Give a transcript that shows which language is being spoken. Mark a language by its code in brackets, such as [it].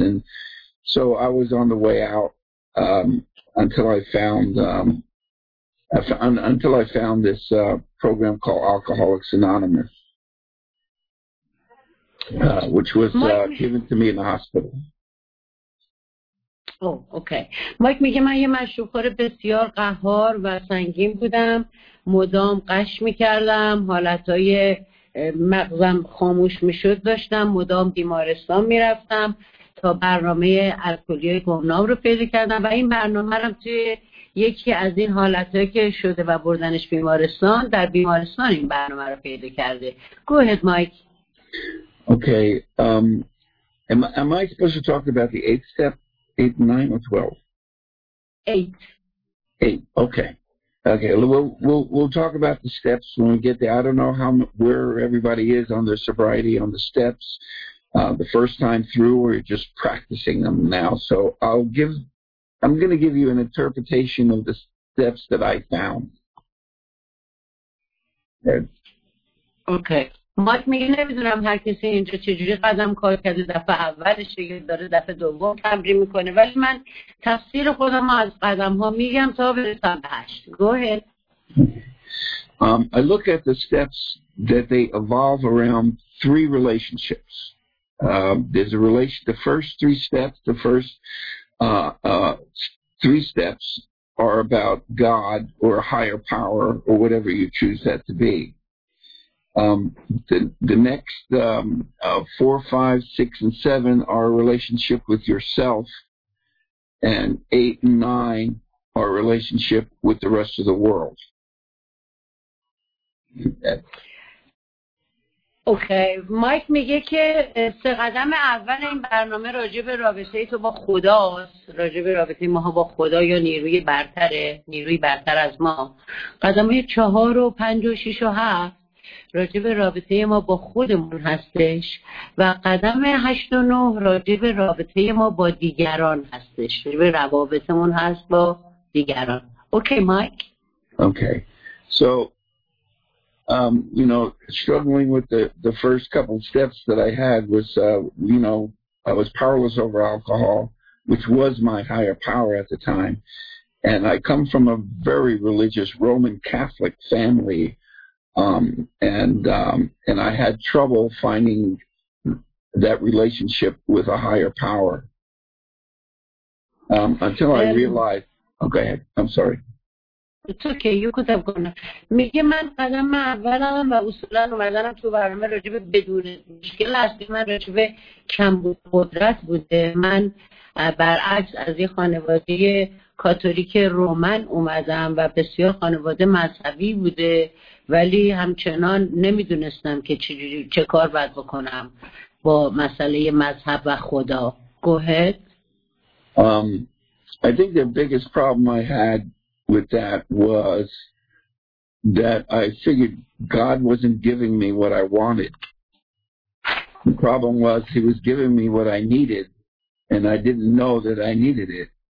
[en] And so I was on the way out until I found this program called Alcoholics Anonymous. Which was given to me in the hospital. Oh, okay. [fa] مایک میگه من یه مشروب‌خور بسیار قهار و سنگین بودم، مدام قش میکردم، حالتهای مغزم خاموش میشد داشتم، مدام بیمارستان میرفتم تا برنامه الکلی گمنام رو پیدا کردم. و این برنامه رو توی یکی از این حالتهایی که شده و بردنش بیمارستان، در بیمارستان این برنامه رو پیدا کرده. [en] Go ahead, Mike. Okay, am I supposed to talk about the 8th step, 8, 9, or 12? 8. 8, okay. Okay, we'll talk about the steps when we get there. I don't know where everybody is on their sobriety on the steps, the first time through, or you're just practicing them now. So I'm going to give you an interpretation of the steps that I found. Okay. [fa] مایک میگه نمیدونم هر کسی اینجا چجوری قدم کار کرده، دفعه اولش یه داره دفعه دوم تمرین میکنه، ولی من تفسیر خودم رو از قدم ها میگم تا برسم به 8. [en] Go ahead. I look at the steps that they evolve around three relationships. There's a relation, the first three steps are about God or a higher power or whatever you choose that to be. The next 4, 5, 6, and 7 are a relationship with yourself, and 8 and 9 are a relationship with the rest of the world. [fa] Okay, Mike میگه که سه قدم اول این برنامه راجع به رابطه تو با خدا است، راجع به رابطه ما با خدا یا نیروی برتره، نیروی برتر از ما. قدم 4, 5, 6, و 7 راجع به رابطه ما با خودمون هستش، و قدم 8 و 9 راجع به رابطه ما با دیگران هستش، راجع به روابطمون هست با دیگران. اوکی مایک. [en] Okay so you know, struggling with the first couple steps that I had was, you know, I was powerless over alcohol, which was my higher power at the time. And I come from a very religious Roman Catholic family. And I had trouble finding that relationship with a higher power. Until I realized, oh, go ahead. I'm sorry. It's okay. You could have gone. [fa] میگه من قدم اولم و اصولا اومدنم تو برنامه راجب بدون مشکل هستی من راجب کم بود قدرت بوده. من برعکس از یه خانواده کاتولیک رومن اومدم و بسیار خانواده مذهبی بوده ولی همچنان نمیدونستم که چه کار باید بکنم با مسئله مذهب و خدا. [en] Go ahead. I think the biggest problem I had with that was that I figured God wasn't giving me what I wanted. The problem was he was giving me what I needed, and I didn't know that I needed it.